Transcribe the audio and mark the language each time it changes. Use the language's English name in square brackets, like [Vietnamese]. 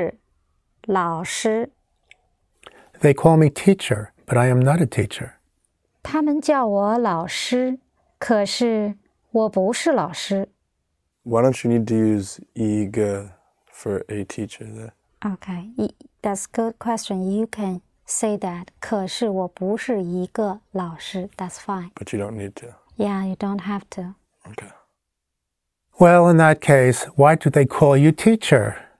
[Chinese] 可是我不是老师。 [English] They call me teacher, but I am not a teacher. [Chinese] 他们叫我老师，可是我不是老师。 [English] Why don't you need to use [Chinese] 一个 [English] for a teacher there? Okay, that's a good question. You can say that. [Chinese] 可是我不是一个老师。 [English] That's fine. But you don't need to. Yeah, you don't have to. Okay. Well, in that case, why do they call you teacher?